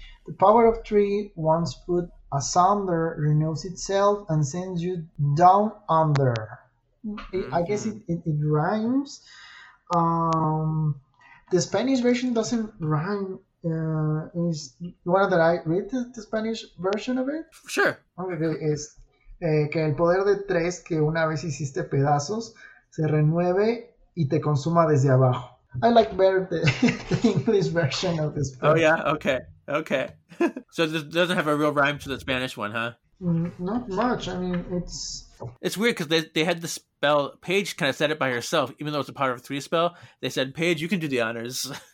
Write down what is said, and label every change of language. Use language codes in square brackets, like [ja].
[en] The power of tree once put asunder renews itself and sends you down under. I guess it rhymes. The Spanish version doesn't rhyme. Is one that I read the Spanish version of it? Sure. [es] Okay, es que el poder de tres que una vez hiciste pedazos se renueve y te consuma desde abajo. [en] I like better the English version of this. Oh yeah. Okay. Okay. So this doesn't have a real rhyme to the Spanish one, huh? Not much. I mean, it's... It's weird because they had the spell. Paige kind of said it by herself, even though it's a part of a three spell. They said, Paige, you can do the honors.